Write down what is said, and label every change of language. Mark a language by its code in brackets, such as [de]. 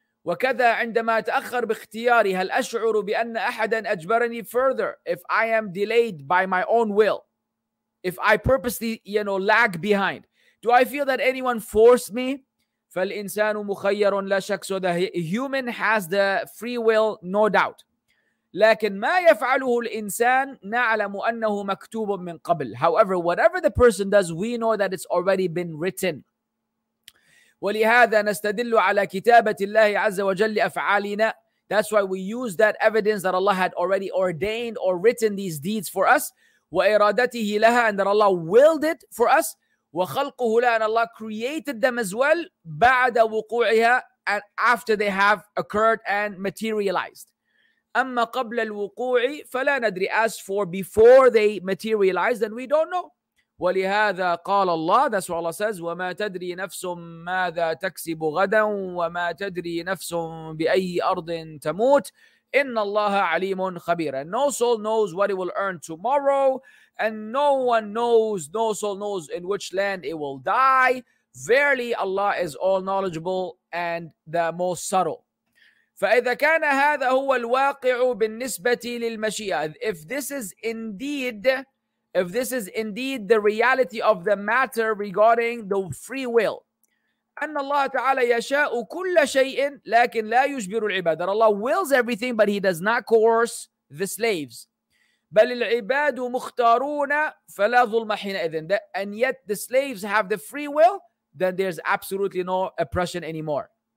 [ar] وكذا عندما أتأخر باختياري هل أشعر بأن أحدا أجبرني. [en] Further, if I am delayed by my own will, if I purposely, you know, lag behind, do I feel that anyone forced me? [ar] فالإنسان مخير لا شك. [en] So the human has the free will, no doubt. [ar] لكن ما يفعله الإنسان نعلم أنه مكتوب من قبل. [en] However, whatever the person does, we know that it's already been written. [ar] ولهذا نستدل على كتابة الله عز وجل لأفعالنا. [en] That's why we use that evidence that Allah had already ordained or written these deeds for us. [ar] وإرادته لها, [en] and that Allah willed it for us. [ar] وخلقه لها, [en] and Allah created them as well. [ar] بعد وقوعها, [en] and after they have occurred and materialized. [ar] أما قبل الوقوع فلا ندري. [en] As for before they materialized, then we don't know. [ar] ولهذا قال الله, [en] that's what Allah says, [ar] وما تدري نفس ماذا تكسب غدا وما تدري نفس بأي أرض تموت إن الله عليم خبير. [en] And no soul knows what it will earn tomorrow, and no soul knows in which land it will die. Verily Allah is all knowledgeable and the most subtle. [ar] فإذا كان هذا هو الواقع بالنسبة للمشيئة. [en] If this is indeed the reality of the matter regarding the free will, [ar] أن الله تعالى يشاء كل شيء لكن لا يجبر العباد. [en] That Allah wills everything, but He does not coerce the slaves. [ar] بل العباد مختارون فلا ظلم حينئذ. [en] And yet the slaves have the free will, then there's absolutely no oppression anymore.